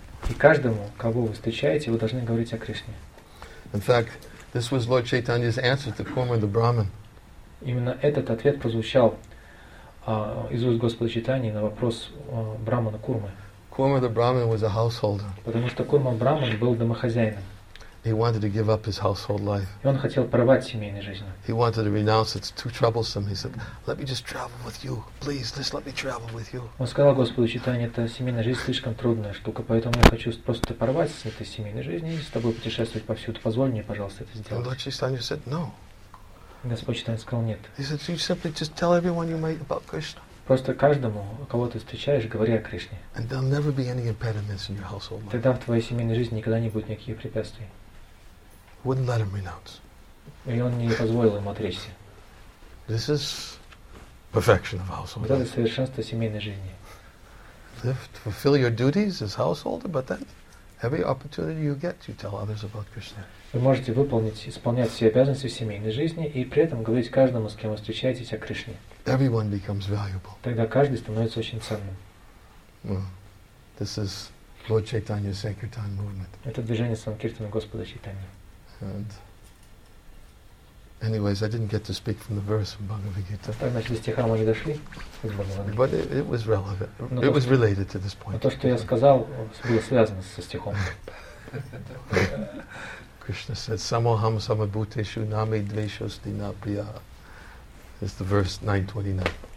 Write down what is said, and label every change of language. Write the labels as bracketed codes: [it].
[ru] И каждому, кого вы встречаете, вы должны говорить о Кришне. [en] In fact, this was Lord Chaitanya's answer to Kurma the Brahmin. [ru] Именно этот ответ прозвучал из уст Господа Чайтаньи на вопрос Брахмана Курмы. [en] Kurma the Brahmin was a householder. [ru] Потому что Курма Брахман был домохозяином. [en] He wanted to give up his household life. [ru] И он хотел порвать семейную жизнь. [en] He wanted to renounce it. It's too troublesome. He said, "Let me just travel with you, please. Just let me travel with you." [ru] Он сказал Господу Чайтанье, "Эта семейная жизнь слишком трудная штука, поэтому я хочу просто порвать с этой семейной жизнью и с тобой путешествовать повсюду. Позволь мне, пожалуйста, это сделать." [en] And Lord Chaitanya said, "No." [ru] Господь Чайтанья сказал нет. [en] He said, "You simply just tell everyone you meet about Krishna." [ru] Просто каждому, кого ты встречаешь, говори о Кришне. [en] And there'll never be any impediments in your household life. [ru] Тогда в твоей семейной жизни никогда не будет никаких препятствий. [en] Wouldn't let him renounce. [ru] И он не позволил ему отречься. [en] This is perfection of household life. [ru] Вот это совершенство семейной жизни. [en] Fulfill your duties as householder, but then every opportunity you get, you tell others about Krishna. [ru] Вы можете выполнить, исполнять все обязанности в семейной жизни и при этом говорить каждому, с кем вы встречаетесь, о Кришне. [en] Everyone becomes valuable. [ru] Тогда каждый становится очень ценным. [en] This is Lord Chaitanya's Sankirtan movement. [ru] Это движение Санкиртана Господа Чайтаньи. [en] And anyways, I didn't get to speak from the verse from Bhagavad Gita. [ru] Так, значит, стиха мы не дошли. [en] But it was relevant. Но it was related to this point. [ru] То, что я сказал, было связано со стихом. [en] Krishna said, [sa] "Samoham samabhuteshu nami dveshosti na priya." [en] It's the verse 9:29.